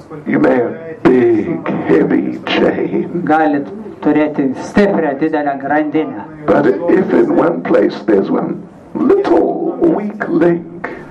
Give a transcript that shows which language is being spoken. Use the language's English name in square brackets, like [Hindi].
[English] You may have big, heavy chain. [Lithuanian] Galit turėti stiprią, didelę grandinę. [English] But if in one place there's one little, weak link.